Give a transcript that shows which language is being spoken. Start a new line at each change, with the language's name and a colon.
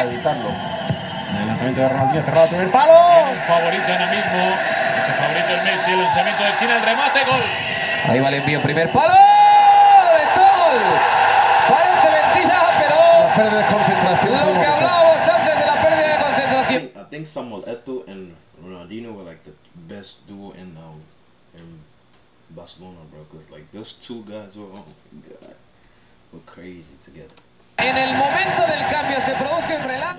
Spanish: El lanzamiento de Ronaldinho cerrado al primer palo! Favorito ahora mismo, ese favorito es Messi, el lanzamiento de esquina, el remate, gol! Ahí va el envío, primer palo! ¡Gol! Parece mentira, pero. La pérdida de concentración. Lo que hablábamos antes de la pérdida de concentración.
English: I think Samuel Eto'o and Ronaldinho were like the best duo in the world. Barcelona, bro, because like those two guys were, oh my God, were crazy together.
Spanish: En el momento del cambio se produce un relato.